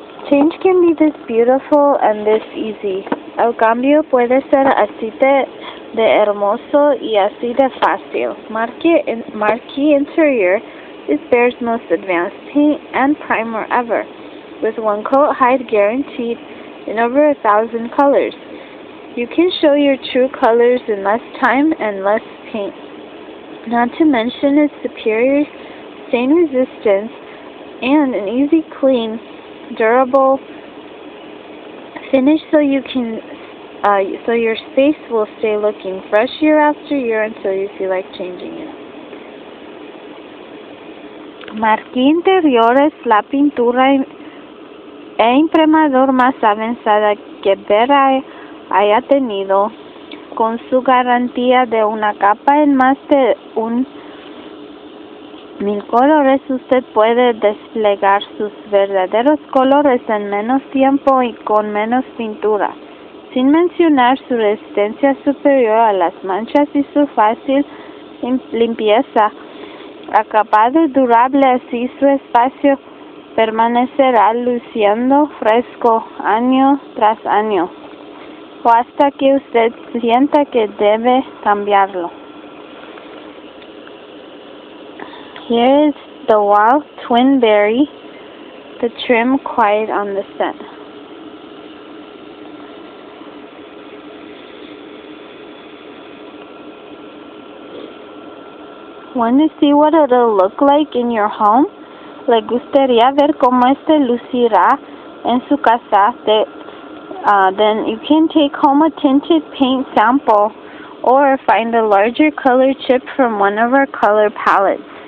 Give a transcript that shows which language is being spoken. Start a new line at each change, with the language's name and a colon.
English: Change can be this beautiful and this easy.
Spanish: El cambio puede ser así de hermoso y así de fácil.
English: Marquee Interior is Behr's most advanced paint and primer ever, with one coat height guaranteed in over 1,000 colors. You can show your true colors in less time and less paint. Not to mention its superior stain resistance and an easy clean, durable finish, so you can so your space will stay looking fresh year after year until you feel like changing it.
Spanish: Marquee Interior es la pintura e imprimador más avanzada que Behr haya tenido, con su garantía de una capa en más de 1,000 colores. Usted puede desplegar sus verdaderos colores en menos tiempo y con menos pintura, sin mencionar su resistencia superior a las manchas y su fácil limpieza. Acabado durable, así su espacio permanecerá luciendo fresco año tras año, o hasta que usted sienta que debe cambiarlo.
English: Here is the wall twin berry, the trim quiet on the set. Want to see what it'll look like in your home?
Spanish: Le gustaría ver cómo este lucirá en su casa?
English: Then you can take home a tinted paint sample or find a larger color chip from one of our color palettes.